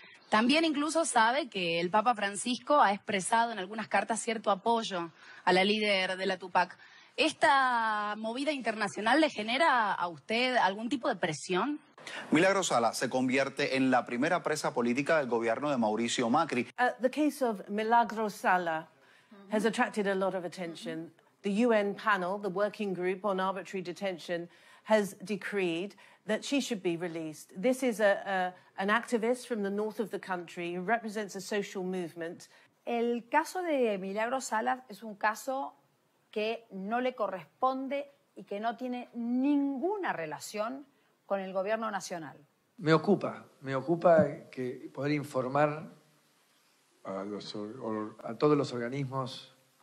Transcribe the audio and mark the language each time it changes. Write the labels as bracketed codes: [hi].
[es] También incluso sabe que el Papa Francisco ha expresado en algunas cartas cierto apoyo a la líder de la Tupac. ¿Esta movida internacional le genera a usted algún tipo de presión? Milagro Sala se convierte en la primera presa política del gobierno de Mauricio Macri. [en] The case of Milagro Sala has attracted a lot of attention. The UN panel, the working group on arbitrary detention, has decreed that she should be released. This is an activist from the north of the country who represents a social movement. [es] El caso de Milagro Sala es un caso que no le corresponde y que no tiene ninguna relación con el gobierno nacional. Me ocupa que poder informar a todos los organismos